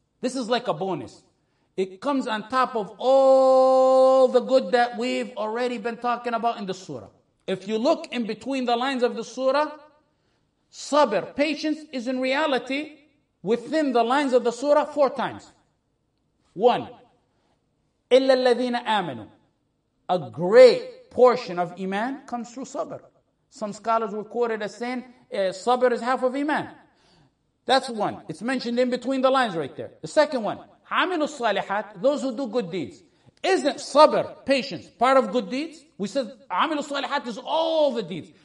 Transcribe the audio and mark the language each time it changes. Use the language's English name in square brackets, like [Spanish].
[English] This is like a bonus. It comes on top of all the good that we've already been talking about in the surah. If you look in between the lines of the surah, sabr, patience, is in reality within the lines of the surah four times. One, [Arabic] إِلَّا الَّذِينَ آمَنُوا. [English] A great portion of iman comes through sabr. Some scholars were quoted as saying, sabr is half of iman. That's one. It's mentioned in between the lines right there. The second one, [Arabic] عَمِنُوا الصَّالِحَاتِ, [English] those who do good deeds. Isn't sabr, patience, part of good deeds? We said amilu salihat is all the deeds.